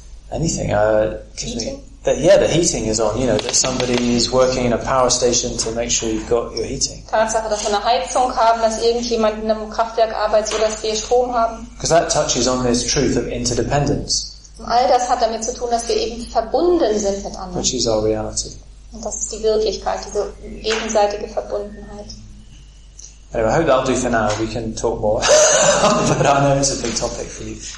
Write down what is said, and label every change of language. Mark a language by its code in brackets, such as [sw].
[en] The heating is on. You know, that somebody is working in a power station to make sure you've got your heating. [de] Tatsache, dass wir eine Heizung haben, dass irgendjemand in einem Kraftwerk arbeitet, so dass wir Strom haben. [en] Because that touches on this truth of interdependence. [de] Und all das hat damit zu tun, dass wir eben verbunden sind mit anderen. [en] Which is our reality. [de] Und das ist die Wirklichkeit, diese gegenseitige Verbundenheit. [en] Anyway, I hope that'll do for now. We can talk more. But I know it's a big topic for you.